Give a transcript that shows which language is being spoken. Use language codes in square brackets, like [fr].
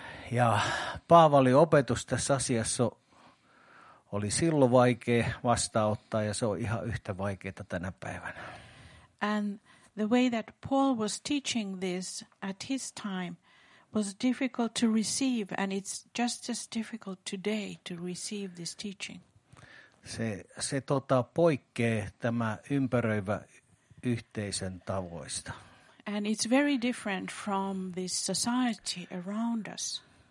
[fi] Ja Paavali opetus tässä asiassa oli silloin vaikea vastaanottaa ja se on ihan yhtä vaikeaa tänä päivänä. [en] And the way that Paul was teaching this at his time was difficult to receive, and it's just as difficult today to receive this teaching. [fi] Se poikkee tämä ympäröivä yhteisön tavoista. [en] And it's very different from the society around us.